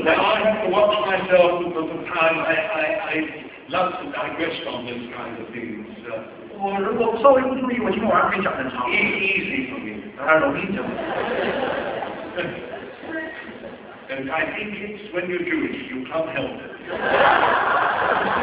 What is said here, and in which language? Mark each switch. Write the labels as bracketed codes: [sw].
[en] Now I have to watch myself because of time I love to digress on this kind of things [zh] 我如果稍微不注意 我今天晚上可以讲很长 [en] It's easy for me [zh] 当然容易讲 [en] And I think it's when you're Jewish you can't help it